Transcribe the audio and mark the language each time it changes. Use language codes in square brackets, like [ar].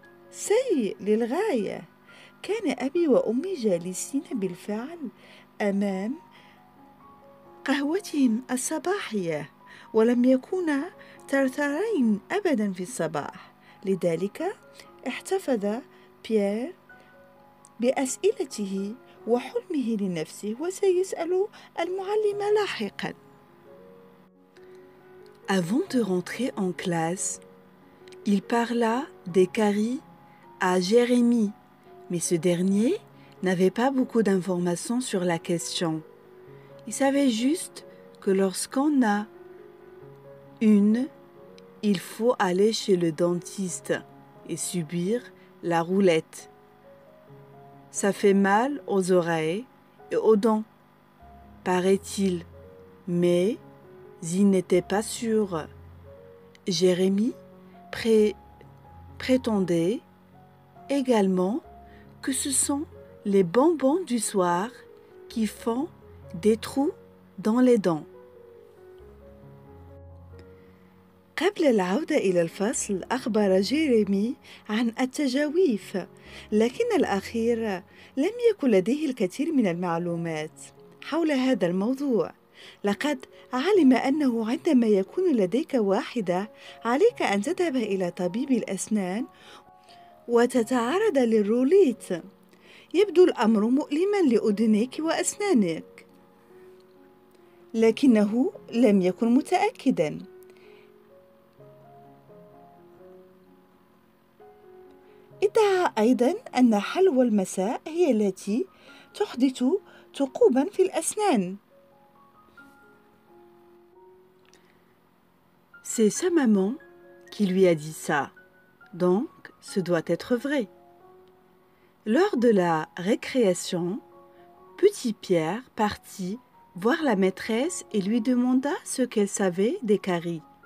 [ar] سيء للغاية. كان أبي وأمي جالسين بالفعل أمام قهوتهم الصباحية، ولم يكونا ترثرين أبدا في الصباح. لذلك احتفظ بيير بأسئلته وحلمه لنفسه، وسيسأل المعلمة لاحقا. [fr] Avant de rentrer en classe, il parla des caries à Jérémy, mais ce dernier n'avait pas beaucoup d'informations sur la question. Il savait juste que lorsqu'on a une, il faut aller chez le dentiste et subir la roulette. Ça fait mal aux oreilles et aux dents, paraît-il, mais il n'était pas sûr. Jérémy prétendait également que ce sont les bonbons du soir qui font des trous dans les dents. [ar] قبل العودة إلى الفصل أخبر جيريمي عن التجاويف، لكن الأخير لم يكن لديه الكثير من المعلومات حول هذا الموضوع. لقد علم أنه عندما يكون لديك واحدة عليك أن تذهب إلى طبيب الأسنان وتتعرض للروليت. يبدو الأمر مؤلما لأذنيك وأسنانك، لكنه لم يكن متأكدا. ادعى أيضا أن حلوى المساء هي التي تحدث ثقوبا في الأسنان. [fr] C'est sa maman qui lui a dit ça. Donc, ce doit être vrai. Lors de la récréation, petit Pierre partit voir la maîtresse et lui demanda ce qu'elle savait des caries.